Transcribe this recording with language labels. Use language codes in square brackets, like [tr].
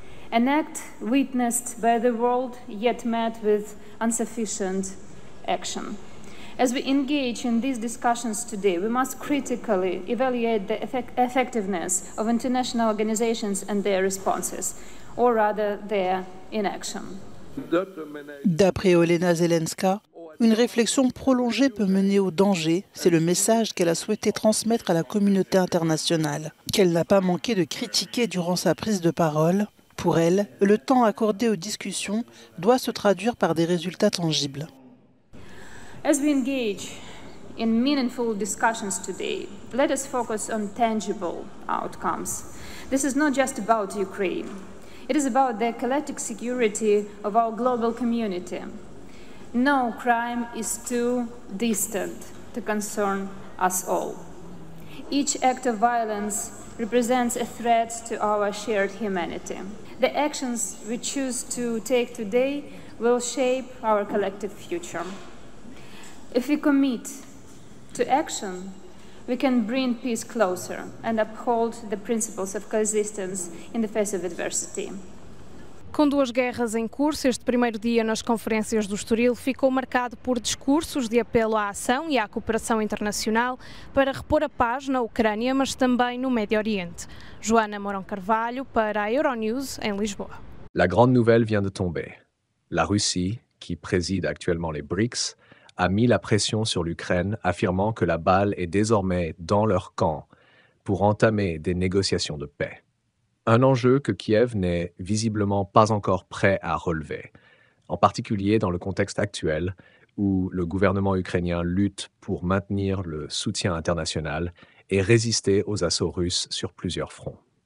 [en] An act witnessed by the world yet met with insufficient action. As we engage in these discussions today, we must critically evaluate the effectiveness of international organizations and their responses, or rather their inaction. [fr] D'après Olena Zelenska, une réflexion prolongée peut mener au danger, c'est le message qu'elle a souhaité transmettre à la communauté internationale, qu'elle n'a pas manqué de critiquer durant sa prise de parole. Pour elle, le temps accordé aux discussions doit se traduire par des résultats tangibles. [en] As we engage in meaningful discussions today, let us focus on tangible outcomes. This is not just about Ukraine. It is about the collective security of our global community. No crime is too distant to concern us all. Each act of violence represents a threat to our shared humanity. The actions we choose to take today will shape our collective future. If we commit to action, we can bring peace closer and uphold the principles of coexistence in the face of adversity. [pt] Com duas guerras em curso, este primeiro dia nas conferências do Estoril ficou marcado por discursos de apelo à ação e à cooperação internacional para repor a paz na Ucrânia, mas também no Médio Oriente. Joana Mourão Carvalho para a Euronews em Lisboa. [fr] La grande nouvelle vient de tomber. La Russie, qui préside actuellement les BRICS, a mis la pression sur l'Ukraine, affirmant que la balle est désormais dans leur camp pour entamer des négociations de paix. Un enjeu que Kiev n'est visiblement pas encore prêt à relever, en particulier dans le contexte actuel où le gouvernement ukrainien lutte pour maintenir le soutien international et résister aux assauts russes sur plusieurs fronts.